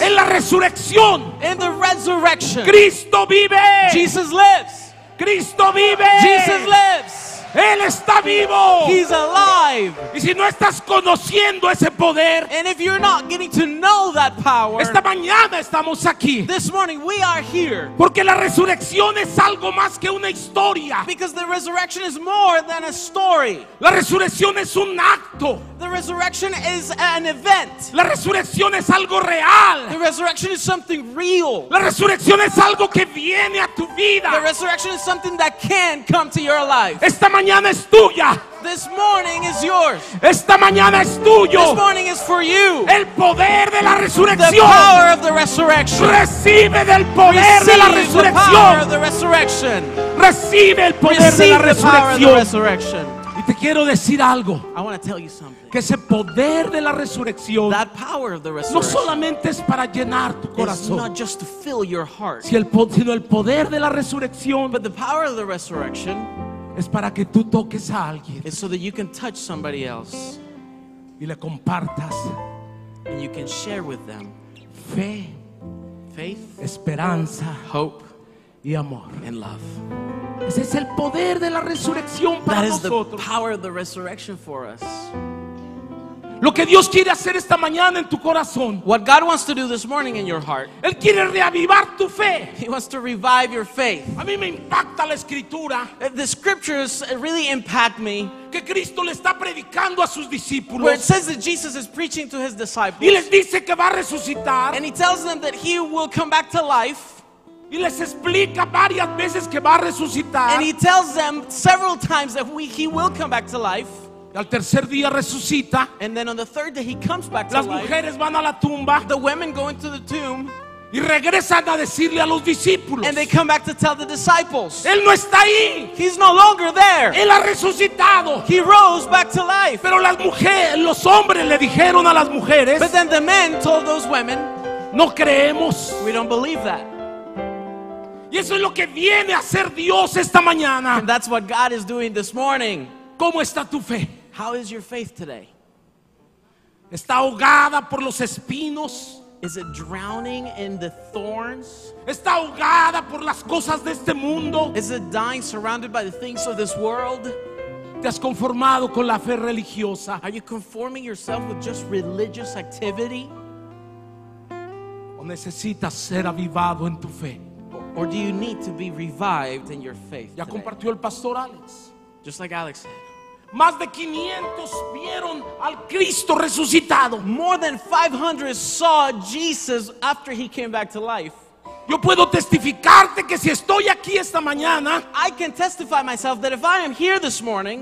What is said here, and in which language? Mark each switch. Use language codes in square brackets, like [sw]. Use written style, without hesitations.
[es] En la resurrección. [en] In the resurrection. [es] Cristo vive. [en] Jesus lives. [es] Cristo vive. [en] Jesus lives. [es] Él está vivo. [en] He's alive. [es] Y si no estás conociendo ese poder, [en] and if you're not getting to know that power, [es] esta mañana estamos aquí. [en] This morning we are here. [es] Porque la resurrección es algo más que una historia. [en] Because the resurrection is more than a story. [es] La resurrección es un acto. [en] The resurrection is an event. [es] La resurrección es algo real. [en] The resurrection is something real. [es] La resurrección es algo que viene a tu vida. [en] The resurrection is something that can come to your life. [es] Esta mañana es tuya. [en] This morning is yours. [es] Esta mañana es tuyo. [en] This morning is for you. [es] El poder de la resurrección. [en] The power of the resurrection. [es] Recibe del poder [en] receive [es] de la resurrección. [en] The power of the resurrection. [es] Recibe el poder [en] receive [es] de la resurrección. [en] The power of the resurrection. [es] Y te quiero decir algo. [en] I want to tell you something. [es] Que ese poder de la resurrección, [en] that power of the resurrection, [es] no solamente es para llenar tu corazón. [en] It's not just to fill your heart. [es] Sino el poder de la resurrección. [en] But the power of the resurrection. [es] Es para que tú toques a alguien. [en] It's so that you can touch somebody else. [es] Y le compartas. [en] And you can share with them. [es] Fe. [en] Faith. [es] Esperanza. [en] Hope. [es] Y amor. [en] And love. [es] Ese es el poder de la resurrección para [en] that is [es] nosotros. [en] The power of the resurrection for us. [es] Lo que Dios quiere hacer esta mañana en tu corazón. [en] What God wants to do this morning in your heart. [es] Él quiere reavivar tu fe. [en] He wants to revive your faith. [es] A mí me impacta la escritura. [en] The scriptures really impact me. [es] Que Cristo le está predicando a sus discípulos. [en] Where it says that Jesus is preaching to his disciples. [es] Y les dice que va a resucitar. [en] And he tells them that he will come back to life. [es] Y les explica varias veces que va a resucitar. [en] And he tells them several times that he will come back to life. [es] Al tercer día resucita. [en] And then on the third day he comes back to life. [es] Las mujeres van a la tumba. [en] The women go into the tomb. [es] Y regresan a decirle a los discípulos. [en] And they come back to tell the disciples. [es] Él no está ahí. [en] He's no longer there. [es] Él ha resucitado. [en] He rose back to life. [es] Pero las mujeres, los hombres le dijeron a las mujeres. [en] But then the men told those women. [es] No creemos. [en] We don't believe that. [es] Y eso es lo que viene a hacer Dios esta mañana. [en] And that's what God is doing this morning. [es] ¿Cómo está tu fe? [en] How is your faith today? [es] ¿Está ahogada por los espinos? [en] Is it drowning in the thorns? [es] ¿Está ahogada por las cosas de este mundo? [en] Is it dying surrounded by the things of this world? [es] ¿Te has conformado con la fe religiosa? [en] Are you conforming yourself with just religious activity? [es] ¿O necesitas ser avivado en tu fe? [en] Or do you need to be revived in your faith? [es] Ya compartió el pastor Alex. [en] Just like Alex said. [es] Más de 500 vieron al Cristo resucitado. [en] More than 500 saw Jesus after he came back to life. [es] Yo puedo testificarte que si estoy aquí esta mañana, [en] I can testify myself that if I am here this morning,